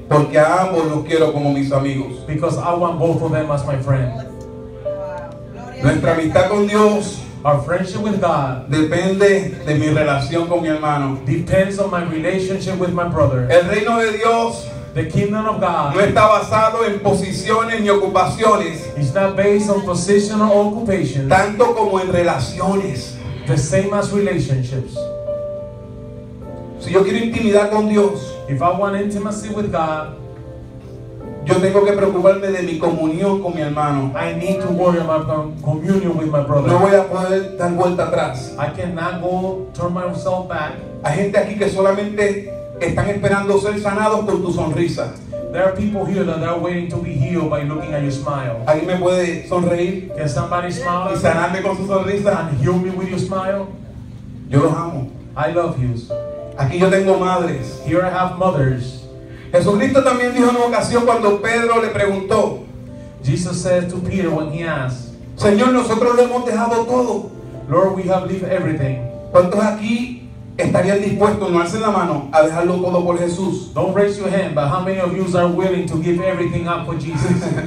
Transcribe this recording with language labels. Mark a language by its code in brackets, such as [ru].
[es] Porque a ambos los quiero como mis amigos. [en] Because I want both of them as my friends. [es] Nuestra amistad con Dios, [en] our friendship with God, [es] depende de mi relación con mi hermano. [en] Depends on my relationship with my brother. [es] El reino de Dios, [en] the kingdom of God, [es] no está basado en posiciones ni ocupaciones. [en] It's not based on position or occupation. [es] Tanto como en relaciones. [en] The same as relationships. [es] Si yo quiero intimidad con Dios, [en] if I want intimacy with God, [es] yo tengo que preocuparme de mi comunión con mi hermano. [en] I need to worry about communion with my brother. [es] No voy a poder dar vuelta atrás. [en] I cannot go turn myself back. [es] Hay gente aquí que solamente están esperando ser sanados por tu sonrisa. [en] There are people here that are waiting to be healed by looking at your smile. [es] ¿Alguien me puede sonreír? [en] Can somebody smile? [es] Y sanarme con su sonrisa. [en] And heal me with your smile. [es] Yo los amo. [en] I love you. [es] Aquí yo tengo madres. [en] Here I have mothers. [es] Jesucristo también dijo en una ocasión cuando Pedro le preguntó. [en] Jesus said to Peter when he asked, [es] Señor, nosotros lo hemos dejado todo. [en] Lord, we have left everything. [es] ¿Cuántos aquí estarían dispuestos, no alcen la mano, a dejarlo todo por Jesús? [en] Don't raise your hand, but how many of you are willing to give everything up for Jesus?